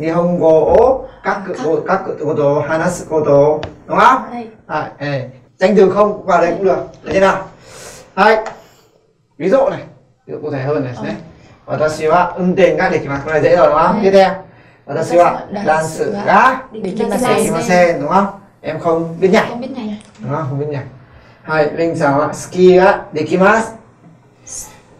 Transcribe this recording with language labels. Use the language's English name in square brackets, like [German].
[Japanese] 日本語を書くことを話すこと、のが、はい、はい、全然 [Vietnamese] không qua đây cũng được、 [Japanese] できない、はい、 [Vietnamese] ví dụ này、 [Japanese] 具体的ですね、私は運転ができます、これでいいだろうな、聞いて、私はダンスができません、のが、 [Vietnamese] em không biết nhảy、 không biết nhảy、 không biết nhảy、 [Japanese] はい、リンさんはスキーができます、